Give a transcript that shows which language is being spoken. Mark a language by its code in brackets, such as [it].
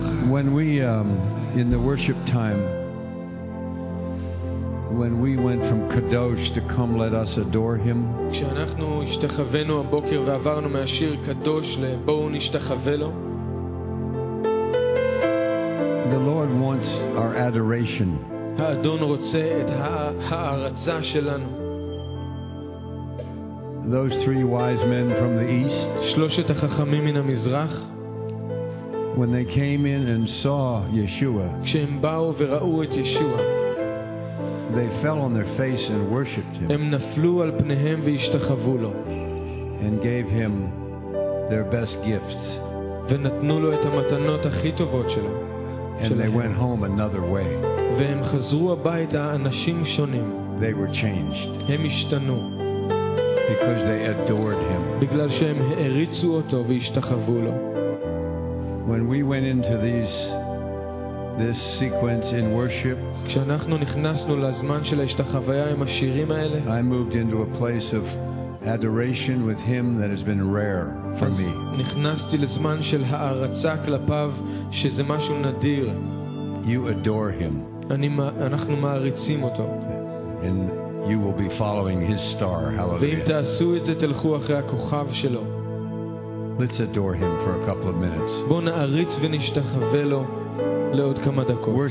[en] When we in the worship time, when we went from Kadosh to come, let us adore him. [he] כשאנחנו השתחווינו הבוקר ועברנו מהשיר קדוש לבואו נשתחווה לו. [en] The Lord wants our adoration. [he] האדון רוצה את ההערצה שלנו. [en] Those three wise men from the east. [he] שלושת החכמים מן המזרח. [en] When they came in and saw Yeshua, [he] כשהם באו וראו את ישועה, [en] they fell on their face and worshiped him. [he] הם נפלו על פניהם והשתחוו לו. [en] And gave him their best gifts. [he] ונתנו לו את המתנות הכי טובות שלהם. [en] And they went home another way. [he] והם חזרו הביתה אנשים שונים. [en] They were changed. [he] הם השתנו. [en] Because they adored him. [he] בגלל שהם העריצו אותו והשתחוו לו. [en] When we went into this sequence in worship, [he] כשאנחנו נכנסנו לזמן של ההשתחוויה עם השירים האלה, [en] I moved into a place of adoration with him that has been rare for me. [he] נכנסתי לזמן של הערצה כלפיו שזה משהו נדיר. [en] You adore him. [he] אנחנו מעריצים אותו. [en] And you will be following his star. Hallelujah. [he] ואם תעשו את זה תלכו אחרי הכוכב שלו. [en] Let's adore him for a couple of minutes. [he] בוא נעריץ ונשתחווה לו לעוד כמה דקות.